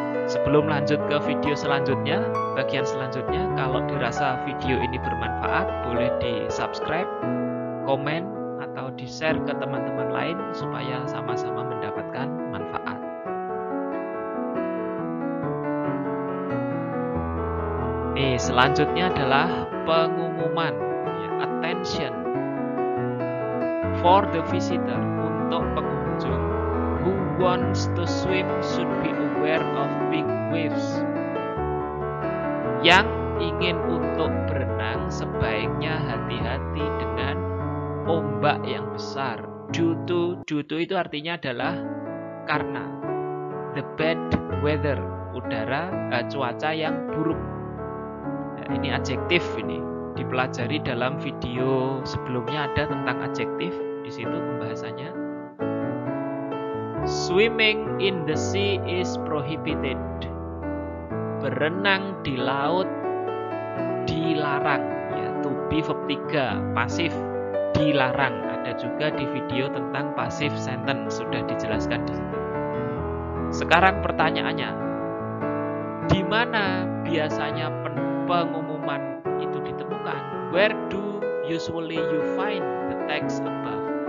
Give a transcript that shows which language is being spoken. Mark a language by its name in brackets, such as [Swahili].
[Indonesian] Sebelum lanjut ke video selanjutnya, bagian selanjutnya, kalau dirasa video ini bermanfaat, boleh di-subscribe, komen, atau di-share ke teman-teman lain supaya sama-sama mendapatkan manfaat. Nih, selanjutnya adalah pengumuman, [English] attention, for the visitor, [Indonesian] untuk pengunjung. [English] Who wants to swim should be aware of big waves. [Indonesian] Yang ingin untuk berenang sebaiknya hati-hati dengan ombak yang besar. [English] Due to [Indonesian] itu artinya adalah karena. [English] The bad weather, [Indonesian] udara, cuaca yang buruk. Nah, ini adjektif ini. Dipelajari dalam video sebelumnya ada tentang adjektif. Di situ pembahasannya. [English] Swimming in the sea is prohibited. [Indonesian] Berenang di laut dilarang, ya, [English] to be verb 3, [Indonesian] pasif, dilarang. Ada juga di video tentang pasif sentence, sudah dijelaskan di situ. Sekarang pertanyaannya, di mana biasanya pengumuman itu ditemukan? [English] Where do usually you find the text above?